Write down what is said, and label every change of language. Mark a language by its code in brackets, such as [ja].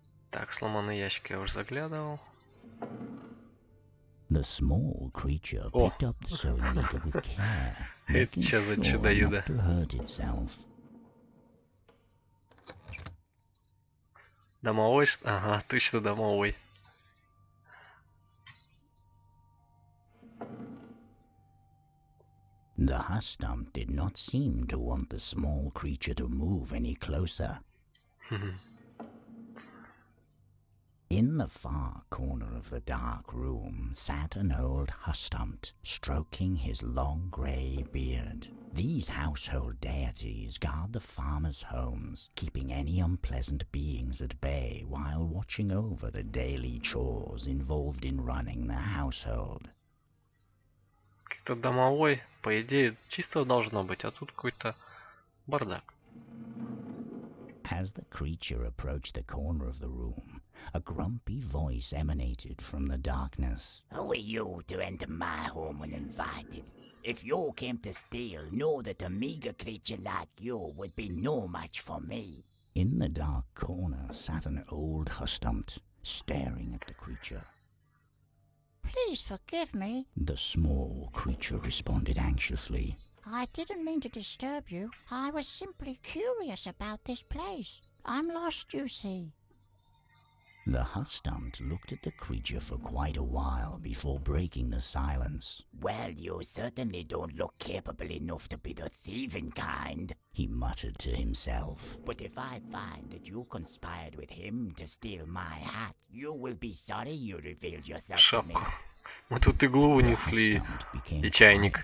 [ru] Так, сломанный ящик я уже заглядывал. [en] The small creature picked up the sewing needle with care, making sure not to hurt itself. [ru] Домовой? Ага, точно домовой. [en] The husk-stump did not seem to want the small creature to move any closer. In the far corner of the dark room sat an old husk-stump, stroking his long grey beard. These household deities guard the farmers' homes, keeping any unpleasant beings at bay while watching over the daily chores involved in running the household. [ru] Какой-то домовой, по идее, чисто должно быть, а тут какой-то бардак. [en] As the creature approached the corner of the room, a grumpy voice emanated from the darkness. Who are you to enter my home uninvited? If you came to steal, know that a meager creature like you would be no match for me. In the dark corner sat an old husk-stump, staring at the creature. Please forgive me. The small creature responded anxiously. I didn't mean to disturb you. I was simply curious about this place. I'm lost, you see. The husk-stump looked at the creature for quite a while before breaking the silence. Well, you certainly don't look capable enough to be the thieving kind, he muttered to himself. But if I find that you conspired with him to steal my hat, you will be sorry you revealed yourself to me. [ru] Мы тут иглу унесли и чайник.